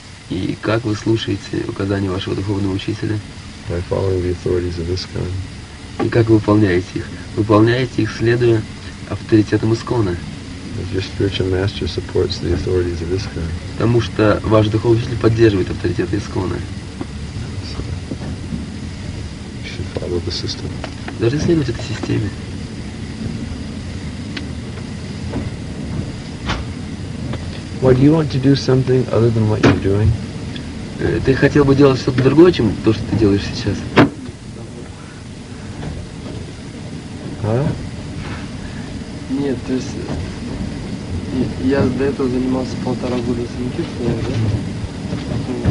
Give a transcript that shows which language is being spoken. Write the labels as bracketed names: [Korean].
[Russian] И как вы слушаете указания вашего духовного учителя? [English] By following the authorities of ISKCON. [Russian] И как вы выполняете их? Выполняете их, следуя авторитетам ИСКОНа. [English] Your spiritual master supports the authorities of ISKCON. [Russian] Потому что ваш духовный учитель поддерживает авторитеты ИСКОНа. [English] So, you should follow the system. [Russian] Должны следовать этой системе. [English] Why do you want to do something other than what you're doing? [Russian] Ты хотел бы делать что-то другое, чем то, что ты делаешь сейчас? А? Нет, то есть я до этого занимался полтора года санкитом, да?